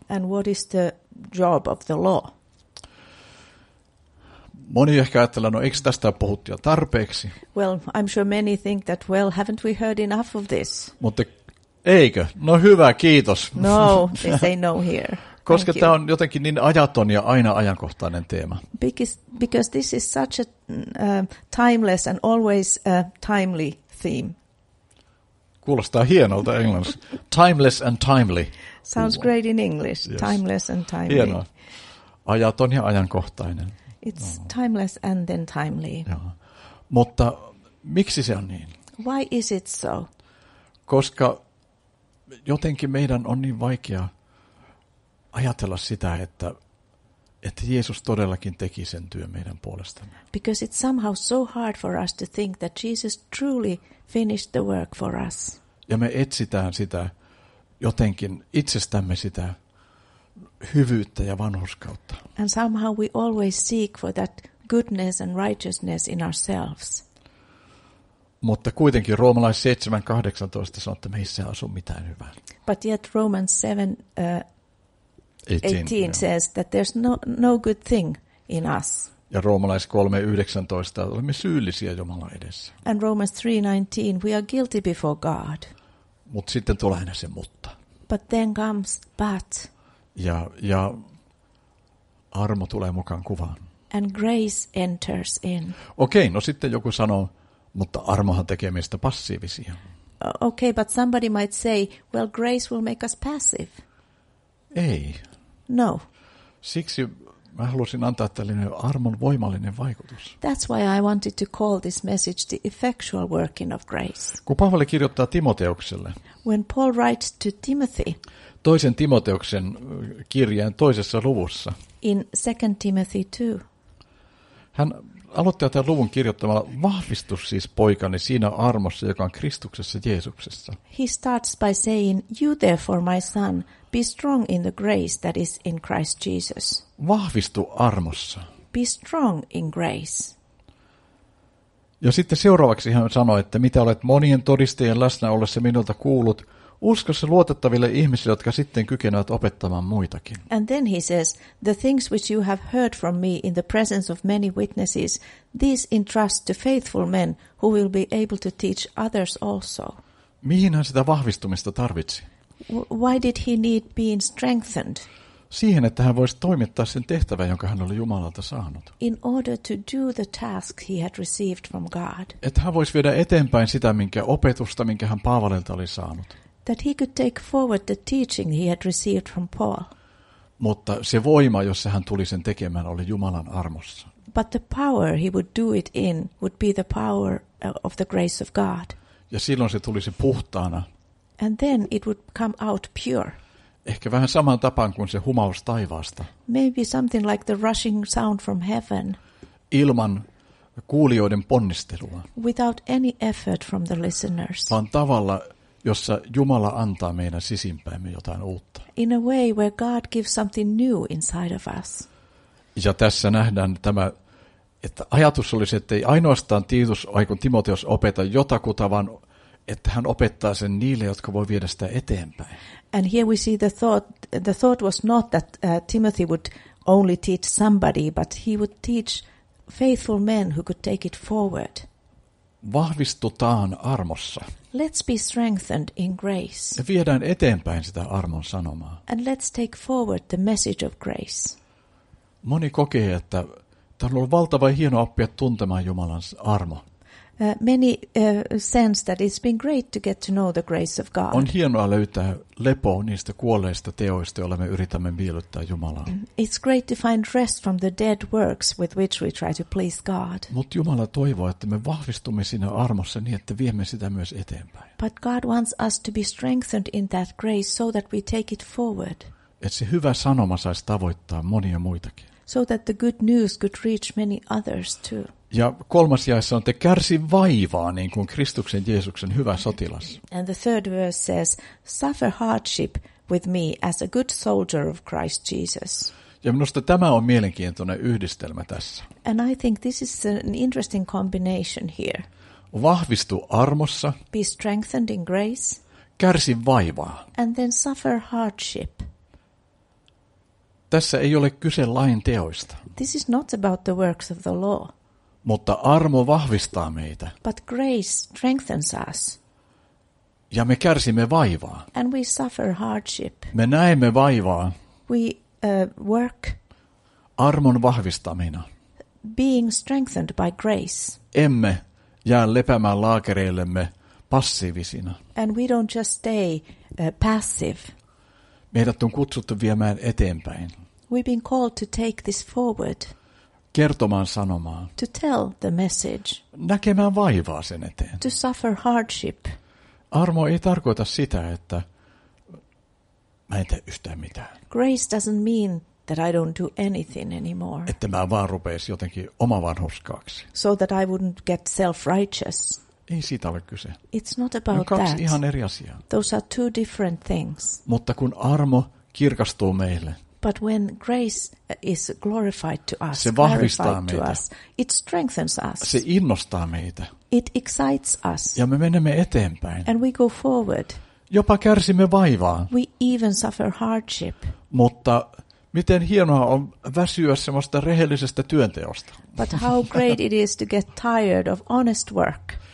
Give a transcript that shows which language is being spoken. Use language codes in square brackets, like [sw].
[en] And what is the job of the law? [fi] Moni ehkä ajattelee, no eikö tästä puhuttu jo tarpeeksi? [en] Well, I'm sure many think that, well, haven't we heard enough of this? [fi] Mutta eikö? No hyvä, kiitos. [en] No, they say no here. [fi] Koska tämä on jotenkin niin ajaton ja aina ajankohtainen teema. [en] Because this is such a timeless and always a timely theme. [fi] Kuulostaa hienolta englanniksi. [en] Timeless and timely. Sounds great in English. Yes. Timeless and timely. [fi] Hienoa. Ajaton ja ajankohtainen. [en] It's timeless and then timely. [fi] Joo. Mutta miksi se on niin? [en] Why is it so? [fi] Koska jotenkin meidän on niin vaikea ajatella sitä, että Jeesus todellakin teki sen työn meidän puolestamme. [en] Because it's somehow so hard for us to think that Jesus truly finished the work for us. [fi] Ja me etsitään sitä jotenkin itsestämme sitä hyvyyttä ja vanhurskautta. [en] And somehow we always seek for that goodness and righteousness in ourselves. [fi] Mutta kuitenkin Roomalais 7:18 sanoo, että meissä ei asu mitään hyvää. [en] But yet Romans 7:18 says that there's no good thing in us. [fi] Ja Roomalais 3:19 olemme syyllisiä Jumalan edessä. [en] And Romans 3:19 we are guilty before God. [fi] Mut sitten tulee aina se mutta. [en] But then comes but. [fi] Ja armo tulee mukaan kuvaan. [en] And grace enters in. [fi] Okei, no sitten joku sanoo, mutta armohan tekee meistä passiivisia. [en] Okay, but somebody might say, well, grace will make us passive. [fi] Ei. [en] No. [fi] Siksi mä halusin antaa tällainen armon voimallinen vaikutus. [en] That's why I wanted to call this message the effectual working of grace. [fi] Kun Paavali kirjoittaa Timoteukselle. [en] When Paul writes to Timothy. [fi] Toisen Timoteuksen kirjeen toisessa luvussa. [en] In 2 Timothy 2. [fi] Hän aloittaa tämän luvun kirjoittamalla, vahvistu siis poikani siinä armossa, joka on Kristuksessa Jeesuksessa. [en] He starts by saying, you therefore my son, be strong in the grace that is in Christ Jesus. [fi] Vahvistu armossa. [en] Be strong in grace. [fi] Ja sitten seuraavaksi hän sanoi, että mitä olet monien todistajien läsnä ollessa minulta kuullut, Usko se luotettaville ihmisille, jotka sitten kykenevät opettamaan muitakin. [en] And then he says, the things which you have heard from me in the presence of many witnesses, these entrust to faithful men who will be able to teach others also. [fi] Mihin hän sitä vahvistumista tarvitsi? [en] Why did he need being strengthened? [fi] Siihen, että hän voisi toimittaa sen tehtävän, jonka hän oli Jumalalta saanut. [en] In order to do the task he had received from God. [fi] Että hän voisi viedä eteenpäin sitä, minkä opetusta, minkä hän Paavalilta oli saanut. [en] That he could take forward the teaching he had received from Paul. [fi] Mutta se voima, jossa hän tuli sen tekemään, oli Jumalan armossa. [en] But the power he would do it in would be the power of the grace of God. [fi] Ja silloin se tulisi puhtaana. [en] And then it would come out pure. [fi] Ehkä vähän saman tapaan kuin se humaus taivaasta. [en] Maybe something like the rushing sound from heaven. [fi] Ilman kuulijoiden ponnistelua. [en] Without any effort from the listeners. [fi] Vaan tavalla, jossa Jumala antaa meidän sisimpäimme jotain uutta. [en] In a way where God gives something new inside of us. [fi] Ja tässä nähdään tämä, että ajatus olisi, että ei ainoastaan Tiitus, aikun Timoteus opeta jotakuta, vaan että hän opettaa sen niille, jotka voi viedä sitä eteenpäin. [en] And here we see the thought was not that Timothy would only teach somebody, but he would teach faithful men who could take it forward. [fi] Vahvistutaan armossa. [en] Let's be strengthened in grace. [fi] Ja viedään eteenpäin sitä armon sanomaa. [en] And let's take forward the message of grace. [fi] Moni kokee, että tämä on ollut valtava hieno oppia tuntemaan Jumalan armo. [en] Many sense that it's been great to get to know the grace of God. [fi] On hienoa löytää lepoa niistä kuolleista teoista, joilla me yritämme miellyttää Jumalaa. [en] It's great to find rest from the dead works with which we try to please God. [fi] Mutta Jumala toivoo, että me vahvistumme siinä armossa niin, että viemme sitä myös eteenpäin. [en] But God wants us to be strengthened in that grace so that we take it forward. [fi] Et se hyvä sanoma saisi tavoittaa monia muitakin. [en] So that the good news could reach many others too. [fi] Ja kolmas jaessa on, että kärsi vaivaa, niin kuin Kristuksen Jeesuksen hyvä sotilas. [en] And the third verse says, suffer hardship with me as a good soldier of Christ Jesus. [fi] Ja minusta tämä on mielenkiintoinen yhdistelmä tässä. [en] And I think this is an interesting combination here. [fi] Vahvistu armossa. [en] Be strengthened in grace. [fi] Kärsi vaivaa. [en] And then suffer hardship. [fi] Tässä ei ole kyse lain teoista. [en] This is not about the works of the law. [fi] Mutta armo vahvistaa meitä. [en] But grace strengthens us. [fi] Ja me kärsimme vaivaa. [en] And we suffer hardship. [fi] Me näemme vaivaa. [en] We work. [fi] Armon vahvistamina. [en] Being strengthened by grace. [fi] Emme jää lepäämään laakereillemme passiivisina. [en] And we don't just stay passive. [fi] Meidät on kutsuttu viemään eteenpäin. [en] We've been called to take this forward. [fi] Kertomaan sanomaa. [en] To tell the message. [fi] Näkemään vaivaa sen eteen. [en] To suffer hardship. [fi] Armo ei tarkoita sitä, että mä en tee yhtään mitään. [en] Grace doesn't mean that I don't do anything anymore. [fi] Että mä vaan rupeisi jotenkin omavanhurskaaksi. [en] So that I wouldn't get self-righteous. [fi] Ei siitä ole kyse. [en] It's not about that. [fi] No, kaksi ihan eri asiaa. [en] Those are two different things. [fi] Mutta kun armo kirkastuu meille. [en] But when grace is glorified to us, [fi] se vahvistaa meitä. [en] To us, it strengthens us. [fi] Se innostaa meitä. [en] It excites us. [fi] Ja me menemme eteenpäin. [en] And we go forward. [fi] Jopa kärsimme vaivaa. [en] We even suffer hardship. [fi] Mutta miten hienoa on väsyä semmoista rehellisestä työnteosta. But how great it is to get tired of honest work.